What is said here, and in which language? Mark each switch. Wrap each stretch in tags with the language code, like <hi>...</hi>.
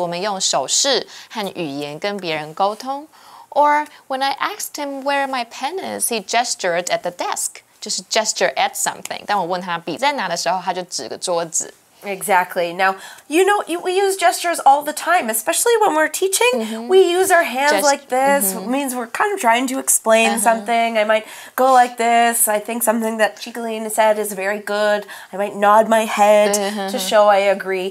<zh>我们用手势和语言跟别人沟通。</zh> <en>Or, when I asked him where my pen is, he gestured at the desk. Just gesture at something.</en> <zh>但我问他笔在哪的时候，他就指个桌子。</zh> <en>Exactly. Now, you know, we use gestures all the time, especially when we're teaching. Mm-hmm. We use our hands like this. Mm-hmm. It means we're kind of trying to explain something. I might go like this. I think something that Chicolina said is very good. I might nod my head to show I agree.</en>